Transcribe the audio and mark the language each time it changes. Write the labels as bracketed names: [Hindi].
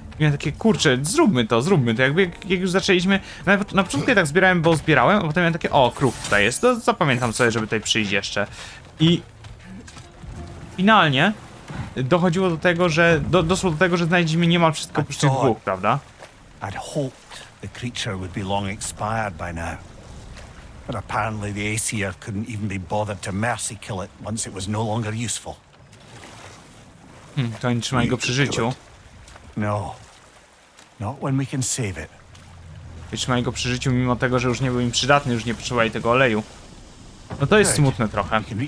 [Polish] Miałem takie, kurczę, zróbmy to, jakby jak już zaczęliśmy, na początku je tak zbierałem, bo zbierałem, a potem miałem takie, o, kruk tutaj jest, to zapamiętam sobie, żeby tutaj przyjść jeszcze. I finalnie dochodziło do tego, że doszło do tego, że znajdziemy niemal wszystko przy tych dwóch, prawda? [English] I'd hoped the creature would be long expired by now. But apparently the Aesir couldn't even be bothered to mercy kill it once it was no longer useful. [Polish] To nie trzymaj go przy życiu. [English] No. Not when we can save it. [Polish] Wytrzymaj go przy życiu mimo tego, że już nie był im przydatny, już nie potrzebowali tego oleju. No to jest smutne trochę.